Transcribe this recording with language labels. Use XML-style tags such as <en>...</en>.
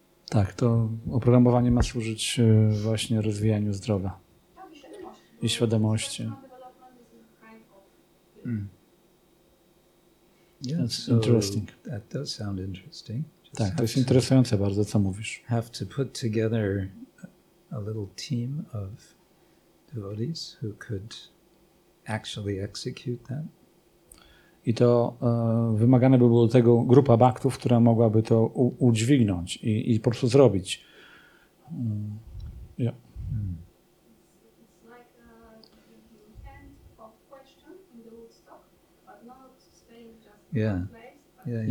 <pl>Tak, to oprogramowanie ma służyć właśnie rozwijaniu zdrowia i świadomości.</pl> <en>Interesting. That does sound interesting.</en> <pl>Tak, to jest interesujące bardzo, co mówisz.</pl> <en>Have to put together a little team of devotees who could actually execute that.</en> <pl>I to wymagane by było do tego grupa baktów, która mogłaby to udźwignąć i po prostu zrobić.</pl> <en>It's like a hand of question in the Woodstock, but not staying just one place.</en>